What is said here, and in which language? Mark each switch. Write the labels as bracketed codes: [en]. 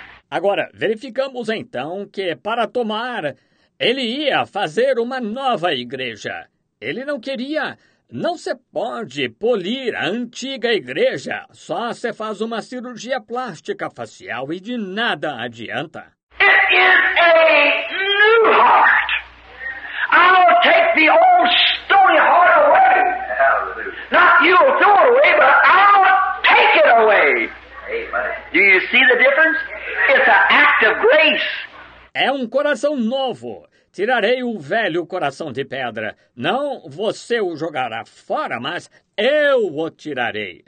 [pt] Agora, verificamos então que para tomar, ele ia fazer uma nova igreja. Ele não queria, não se pode polir a antiga igreja. Só se faz uma cirurgia plástica facial e de nada adianta. [en] It is a new heart. I will take the old stony heart away. Not you will throw it away, but I will take it away. Do you see the difference? It's an act of grace. [pt] É um coração novo. Tirarei o velho coração de pedra. Não você o jogará fora, mas eu o tirarei.